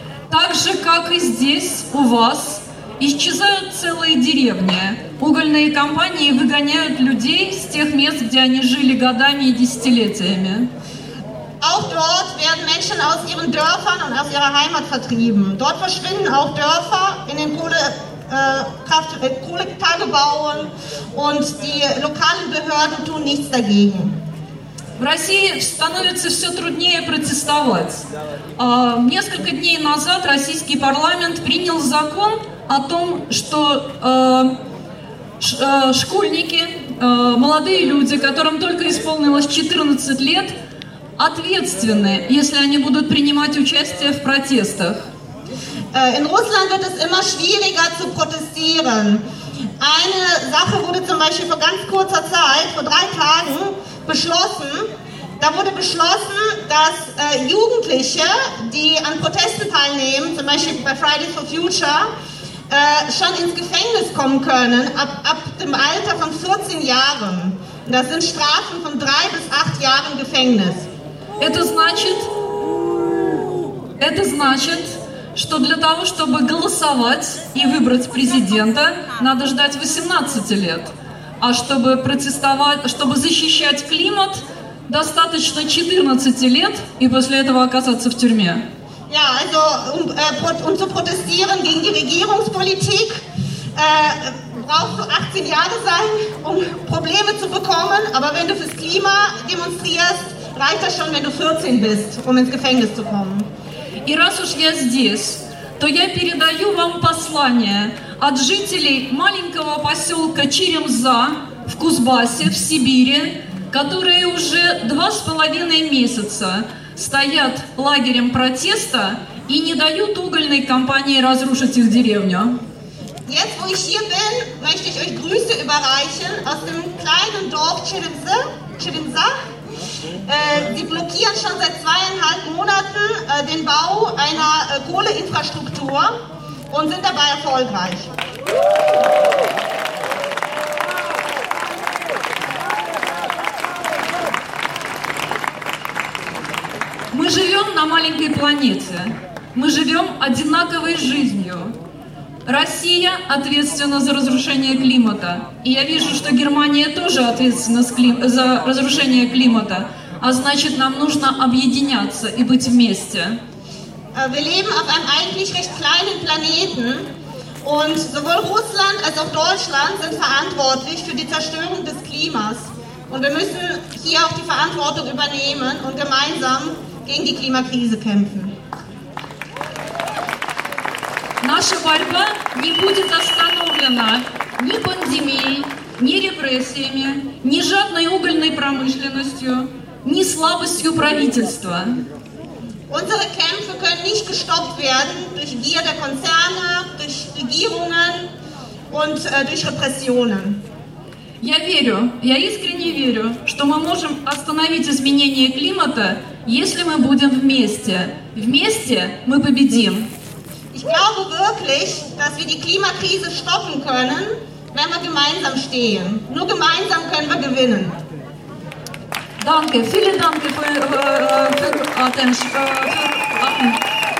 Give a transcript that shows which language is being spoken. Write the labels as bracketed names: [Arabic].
[Russian] Также как и здесь у вас исчезают целые деревни. Угольные компании выгоняют людей с тех мест, где они жили годами и десятилетиями. [German] Auch dort werden Menschen aus ihren Dörfern und aus ihrer Heimat vertrieben. Dort verschwinden auch Dörfer in den Kohletagebauen und die lokalen Behörden tun nichts dagegen. [Russian] В России становится все труднее протестовать. Несколько дней назад российский парламент принял закон о том, что школьники, молодые люди, которым только исполнилось 14 лет, ответственны, если они будут принимать участие в протестах. [German] In Russland wird es immer schwieriger zu protestieren. Eine Sache wurde zum Beispiel vor ganz kurzer Zeit, vor 3 Tagen, beschlossen. Da wurde beschlossen, dass Jugendliche, die an Protesten teilnehmen, zum Beispiel bei Fridays for Future, schon ins Gefängnis kommen können, ab dem Alter von 14 Jahren. Das sind Strafen von 3 bis 8 Jahren Gefängnis. [Russian] Это значит, что для того, чтобы голосовать и выбрать президента, надо ждать 18 лет. А чтобы защищать климат, достаточно 14 лет и после этого оказаться в тюрьме. [German] Ja, also um zu protestieren gegen die Regierungspolitik brauchst du 18 Jahre sein, um Probleme zu bekommen. Aber wenn du fürs Klima demonstrierst, reicht das schon, wenn du 14 bist, um ins Gefängnis zu kommen. [Russian] И раз уж я здесь, то я передаю вам послание от жителей маленького поселка Черемза в Кузбассе, в Сибири, которые уже 2,5 месяца стоят лагерем протеста и не дают угольной компании разрушить их деревню. [German] Jetzt, wo ich hier bin, möchte ich euch Grüße überreichen aus dem kleinen Dorf Черемза. Sie blockieren schon seit 2,5 Monaten den Bau einer Kohleinfrastruktur und sind dabei erfolgreich. [Russian] Мы живем на маленькой планете. Мы живем одинаковой жизнью. Россия ответственна за разрушение климата. И я вижу, что Германия тоже ответственна за разрушение климата. А значит, нам нужно объединяться и быть вместе. [German] Wir leben auf einem eigentlich recht kleinen Planeten. Und sowohl Russland als auch Deutschland sind verantwortlich für die Zerstörung des Klimas. Und wir müssen hier auch die Verantwortung übernehmen und gemeinsam gegen die Klimakrise kämpfen. [Russian] Наша борьба не будет остановлена ни пандемией, ни репрессиями, ни жадной угольной промышленностью, ни слабостью правительства. [German] Unsere Kämpfe können nicht gestoppt werden durch Gier der Konzerne, durch Regierungen und durch Repressionen. [Russian] Я верю, я искренне верю, что мы можем остановить изменение климата, если мы будем вместе. Вместе мы победим. [German] Ich glaube wirklich, dass wir die Klimakrise stoppen können, wenn wir gemeinsam stehen. Nur gemeinsam können wir gewinnen. Danke, vielen Dank für Attention.